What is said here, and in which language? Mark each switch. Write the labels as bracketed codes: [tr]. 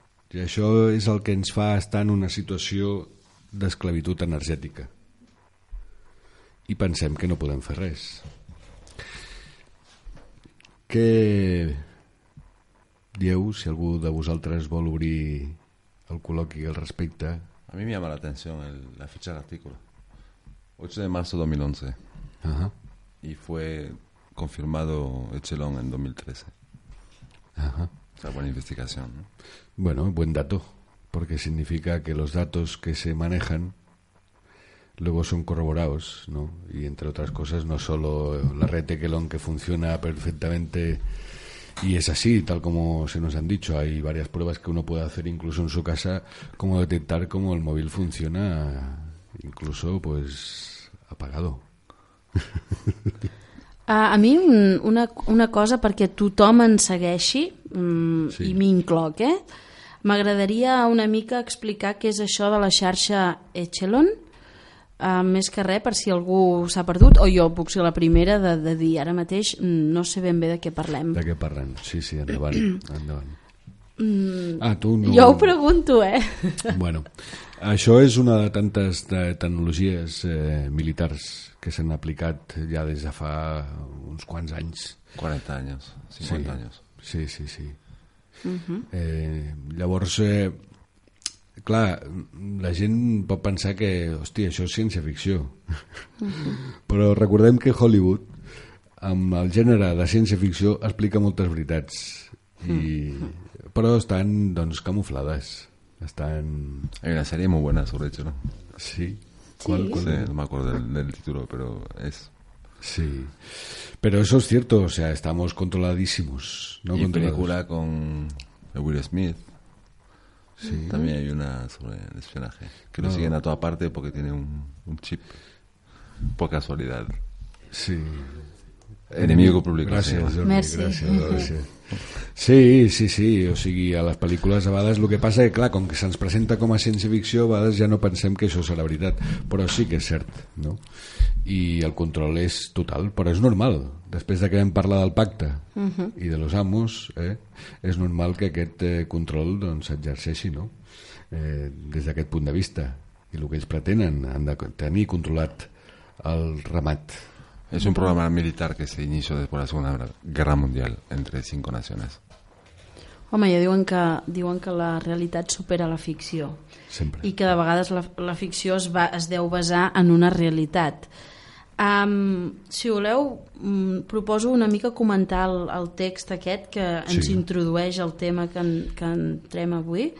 [ca] I això és el que ens fa estar en una situació d'esclavitud energètica. I pensem que no podem fer res. Què dieu, si algú de vosaltres vol obrir el col·loqui al respecte? [es] A mi me llama la atención la fecha del artículo. 8 de marzo 2011. Uh-huh. Y fue confirmado Echelon en 2013. Uh-huh. O sea, buena investigación, ¿no? Bueno, buen dato, porque significa que los datos que se manejan luego son corroborados, ¿no? Y entre otras cosas, no solo la red de Echelon que funciona perfectamente y es así, tal como se nos han dicho. Hay varias pruebas que uno puede hacer incluso en su casa, como detectar cómo el móvil funciona, incluso pues apagado. [ca] A mi una cosa perquè tothom en segueixi, sí. I m'incloc, m'agradaria una mica explicar què és això de la xarxa Echelon, més que res per si algú s'ha perdut, o jo puc ser la primera de dir ara mateix, no sé ben bé de què parlem. De què parlen, sí, sí, endavant, endavant. Tu no... Jo ho pregunto, Bueno, això és una de tantes tecnologies militars que s'han aplicat ja des de fa uns quants anys. 40 anys, 50 sí, anys. Sí, sí, sí. Uh-huh. Llavors, clar, la gent pot pensar que, hòstia, això és ciència-ficció. Uh-huh. Però recordem que Hollywood, amb el gènere de ciència-ficció, explica moltes veritats. I... Uh-huh. Però estan, doncs, camuflades. Estan... Hay una sèrie molt bona sobre això, no? Sí. [es] ¿Cuál? Sí, no me acuerdo del título, pero es... Sí, pero eso es cierto, o sea, estamos controladísimos, ¿no? Y controlados. Película con Will Smith, sí. También hay una sobre el espionaje, que no. Lo siguen a toda parte porque tiene un chip, por casualidad. Sí. Enemigo público. Gracias, sí. Merci. Gracias, gracias. [ca] Sí, sí, sí, o sigui, a les pel·lícules a vegades el que passa és, clar, com que se'ns presenta com a ciència-ficció, a vegades ja no pensem que això serà veritat, però sí que és cert, no? I el control és total, però és normal, després de que vam parlar del pacte i de los amos, és normal que aquest control s'exerceixi, doncs, no? Des d'aquest punt de vista, i el que ells pretenen, han de tenir controlat el ramat. [es] Es un programa militar que se inició después de la Segunda Guerra Mundial entre 5 naciones. [ca] Home, ja diuen que la realitat supera la ficció. Sempre. I que de vegades la ficció es deu basar en una realitat. Si voleu, proposo una mica comentar el text aquest que ens sí. introdueix al tema que entrem avui.